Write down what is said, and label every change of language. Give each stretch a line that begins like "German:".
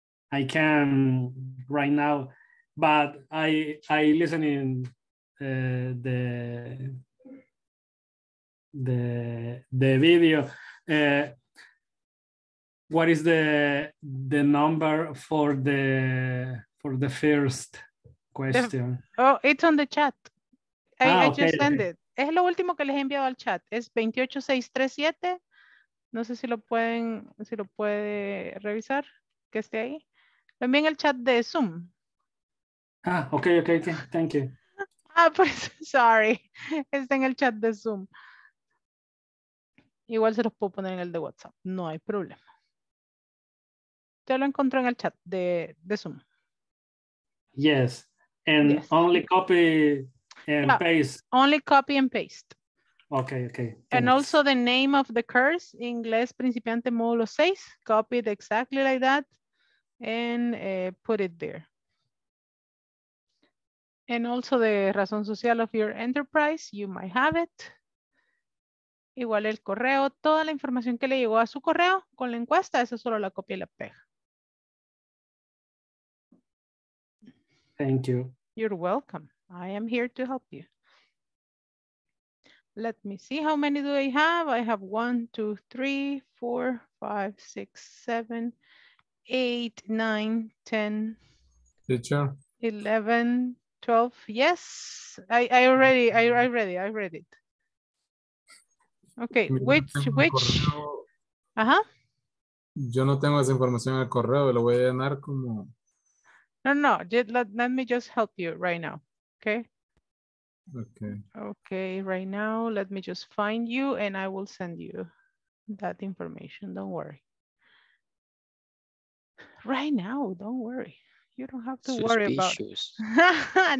English: I can right now, but I listening the video. What is the number for the first question? It's on the chat. Just sent it.
Spanish: Es lo último que les he enviado al chat. Es 28637. No sé si lo puede revisar que esté ahí. Lo envié en el chat de Zoom.
English: Okay. Thank you.
Spanish: Sorry. Está en el chat de Zoom. Igual se los puedo poner en el de WhatsApp. No hay problema. Ya lo encontré en el chat de Zoom.
English: Yes. And yes. Only copy and paste. Only copy and paste. Okay. Thanks. And also the name of the course, Inglés Principiante Módulo 6. Copy it exactly like that and put it there. And also the razón social of your enterprise. You might have it.
Spanish: Igual el correo, toda la información que le llegó a su correo con la encuesta, esa solo la copia y la pega.
English: Thank you. You're welcome. I am here to help you. Let me see how many do I have. I have 1, 2, 3, 4, 5, 6, 7, 8, 9, 10, 11, 12. Yes, I read it. Okay, which? Ajá.
Spanish: Yo no tengo esa información en el correo, lo voy a llenar como.
English: No, let me just help you right now, okay? Okay, right now, let me just find you and I will send you that information, don't worry. Right now, don't worry. You don't have to worry about it.